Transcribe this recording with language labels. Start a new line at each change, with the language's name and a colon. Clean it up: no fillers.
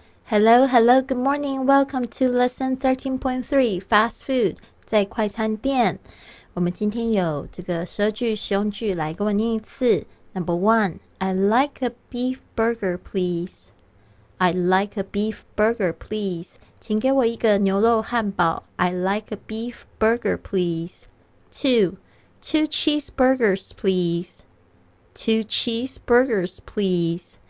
English: Hello, hello, good morning. Welcome to lesson 13.3, fast food,
Chinese: 在快餐店。我们今天有这个舌句、实用句来跟我念一次。
English: Number one, I'd like a beef burger, please. I'd like a beef burger, please.
Chinese: 请给我一个牛肉汉堡。
English: I'd like a beef burger, please. Two, two cheeseburgers, please. Two cheeseburgers, please.